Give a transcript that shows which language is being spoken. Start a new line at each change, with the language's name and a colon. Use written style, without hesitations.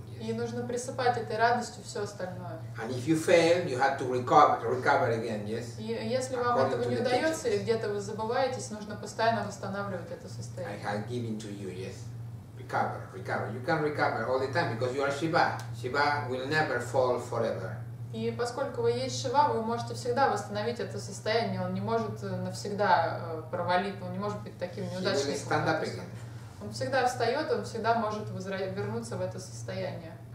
Russian: И нужно присыпать этой радостью все остальное.
English: And if you fail, you have to recover again, yes.
Russian: Если вам этого не удается или где-то вы забываетесь, нужно постоянно восстанавливать это состояние.
English: I have given to you, yes. Recover. You can recover all the time because you are Shiva. Shiva will never fall forever.
Russian: И поскольку вы есть Шива, вы можете всегда восстановить это состояние. Он не может навсегда провалиться. Он не может быть таким неудачником. Он всегда встает, он всегда может вернуться в это состояние.